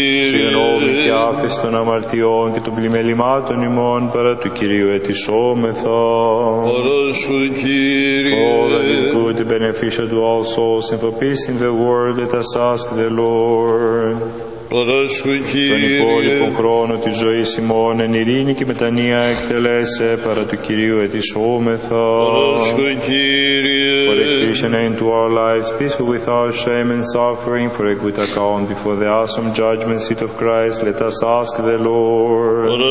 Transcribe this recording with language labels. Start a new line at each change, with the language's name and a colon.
Greek: Συνόδου και άφηση των αμαρτιών και των πλημελημάτων ημών παρά του Κυρίου ετησόμεθα. Παρασχου Κύριε.
English: All that is good and beneficial to all souls and for peace in the world, let us ask the Lord.
Greek: Παρασχου Κύριε. Τον υπόλοιπο χρόνο της ζωής ημών εν ειρήνη και μετανία εκτελέσε παρά του Κυρίου ετησόμεθα. Παρασχου Κύριε.
English: And into our lives, peaceful without shame and suffering, for a good account before the awesome judgment seat of Christ, let us ask the Lord.